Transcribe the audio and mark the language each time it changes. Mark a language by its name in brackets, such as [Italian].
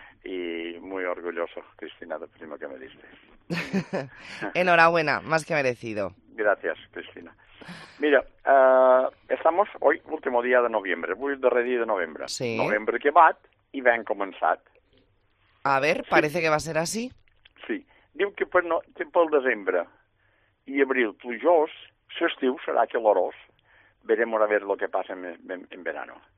[Spanish] Y muy orgulloso, Cristina, del primo que me diste. Enhorabuena, más que merecido. Gracias, Cristina. Mira, estamos hoy, último día de noviembre, muy derredido de noviembre. Sí. Noviembre que va y va a comenzar. A ver, sí. Parece que va a ser así. Sí. [Catalan] Diu que per no, pel desembre i abril plujós, l'estiu serà calorós. [Spanish] Veremos a ver lo que passa en verano.